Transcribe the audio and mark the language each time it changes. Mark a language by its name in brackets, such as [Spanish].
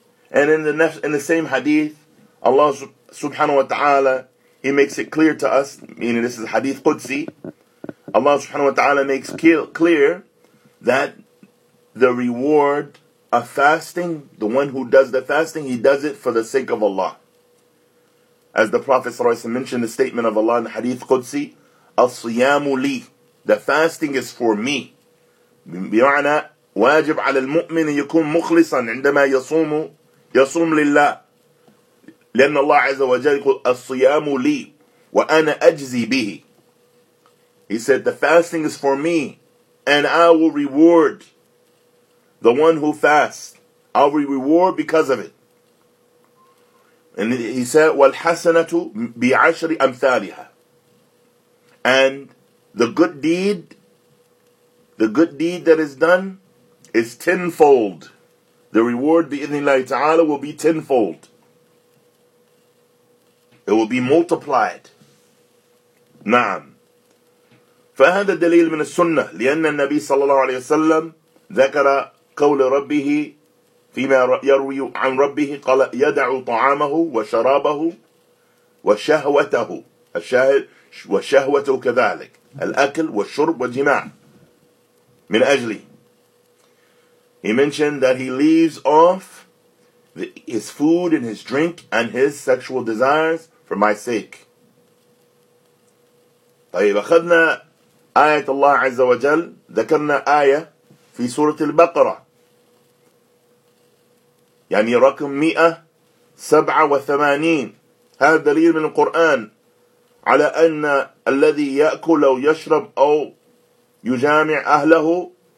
[English] And in the same hadith, Allah subhanahu wa ta'ala, he makes it clear to us, meaning this is hadith Qudsi, Allah subhanahu wa ta'ala makes clear that the reward of fasting, the one who does the fasting, he does it for the sake of Allah. As the Prophet ﷺ mentioned the statement of Allah in Hadith Qudsi, [Arabic] الصيامُ لي, [English] the fasting is for me. [Arabic] بمعنى واجب على المؤمن يكون مخلصا عندما يصوم يصوم لله. لأن الله عز وجل يقول الصيامُ لي وأنا أجزي به. [English] He said the fasting is for me, and I will reward the one who fasts. I will reward because of it. And he said, [Arabic] وَالْحَسَنَةُ بِعَشْرِ أَمْثَالِهَا. [English] And the good deed that is done is tenfold. The reward, بإذن الله تعالى, will be tenfold. It will be multiplied. نعم. [Arabic] فَهَذَا الدَّلِيلُ مِنَ السُنَّةِ لِأَنَّ النَّبِي صَلَّى اللَّهُ عَلَيْهِ وَسَلَّمْ ذَكَرَ قَوْلَ رَبِّهِ فيما يروي عن ربه قال يدع طعامه وشرابه وشهوته الشاهد وشهوته كذلك الأكل والشرب والجماع من أجلي. [English] He mentioned that he leaves off his food and his drink and his sexual desires for my sake. [Arabic] طيب أخذنا آية الله عز وجل ذكرنا آية في سورة البقرة يعني رقم 187 هذا دليل من القرآن على أن الذي يأكل أو يشرب أو يجامع أهله